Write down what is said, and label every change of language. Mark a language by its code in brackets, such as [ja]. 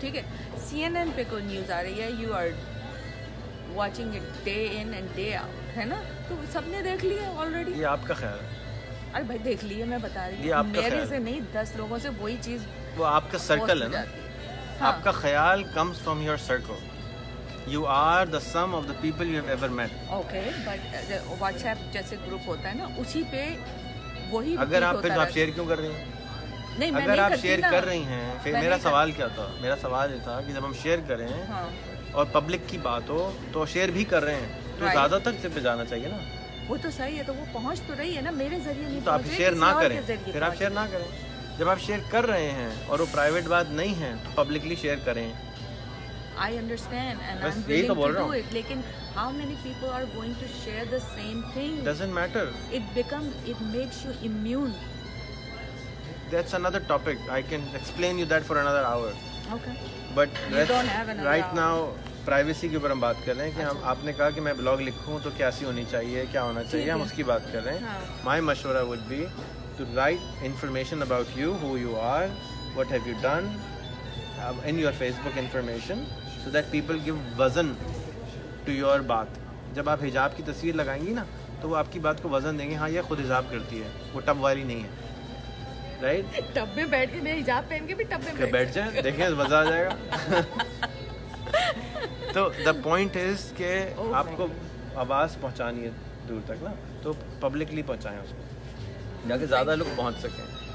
[hi] ठीक है, CNN पे कोई न्यूज आ रही है, [en] you are watching it day in and day out, [hi] है ना, तो सबने देख लिया ऑलरेडी। ये आपका ख्याल है? अरे भाई देख लिया, मैं बता रही हूँ, मेरे से नहीं 10 लोगों से वही चीज, वो आपका सर्कल है ना, आपका ख्याल [en] Comes from your circle. You are the sum of the people you have ever met. [hi] Okay, but the WhatsApp जैसे ग्रुप होता है ना, उसी पे वही। अगर आप फिर आप शेयर क्यों कर रही हैं? नहीं, मैं अगर आप शेयर कर रही हैं, फिर मेरा सवाल क्या था? मेरा सवाल ये था कि जब हम शेयर करें हाँ। और पब्लिक की बात हो तो शेयर भी कर रहे हैं तो ज्यादातर से पे जाना चाहिए ना। वो तो सही है, तो वो पहुँच तो रही है ना मेरे जरिए, नहीं तो आप शेयर ना करें, फिर आप शेयर ना करें। जब आप शेयर कर रहे हैं और वो प्राइवेट बात नहीं है तो पब्लिकली शेयर करें। [en] I understand and बस I'm willing to do it, लेकिन how many people are going to share the same thing? Doesn't matter. It makes you immune. That's another topic. I can explain you that for another hour. Okay. But you don't have another right hour. [hi] Now privacy के ऊपर हम बात कर रहे हैं कि हम, आपने कहा कि मैं ब्लॉग लिखूँ तो कैसी होनी चाहिए, क्या होना चाहिए, हम उसकी बात कर रहे हैं। [en] My mashwara would be to write information about you, who you are, what have you done. In your Facebook information, so that people give वजन to your बात। [hi] जब आप हिजाब की तस्वीर लगाएंगी ना तो वो आपकी बात को वजन देंगे, हाँ ये खुद हिजाब करती है, वो टब वाली नहीं है, राइट? टब में बैठ के, मैं हिजाब पहन के भी टब में बैठ जाए, देखें मजा आ जाएगा। तो [en] the point is [hi] के आपको आवाज़ पहुँचानी है दूर तक ना, तो पब्लिकली पहुँचाएं उसको, ताकि ज़्यादा लोग पहुँच सकें।